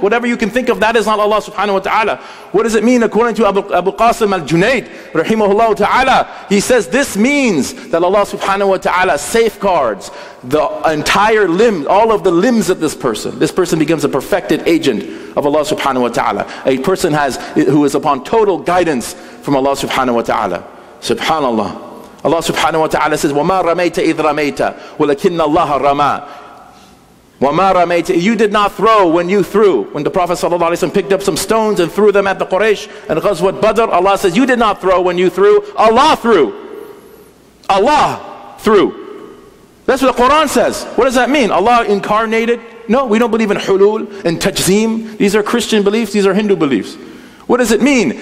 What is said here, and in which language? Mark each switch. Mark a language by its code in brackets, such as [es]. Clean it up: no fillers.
[en] Whatever you can think of, that is not Allah subhanahu wa ta'ala. What does it mean according to Abu Qasim al-Junayd, rahimahullah ta'ala? He says this means that Allah subhanahu wa ta'ala safeguards the entire limb, all of the limbs of this person. This person becomes a perfected agent of Allah subhanahu wa ta'ala. A person has who is upon total guidance from Allah subhanahu wa ta'ala. Subhanallah. [ar] Allah subhanahu wa ta'ala says, وَمَا رَمَيْتَ إِذْ رَمَيْتَ وَلَكِنَّ اللَّهَ رَمَى وَمَا رَمَيْتَ. [en] You did not throw when you threw. When the Prophet sallallahu alayhi wa sallam picked up some stones and threw them at the Quraysh and Ghazwat Badr, Allah says, you did not throw when you threw. Allah threw. Allah threw. That's what the Quran says. What does that mean? Allah incarnated? No, we don't believe in hulul and tajzeem. These are Christian beliefs. These are Hindu beliefs. What does it mean?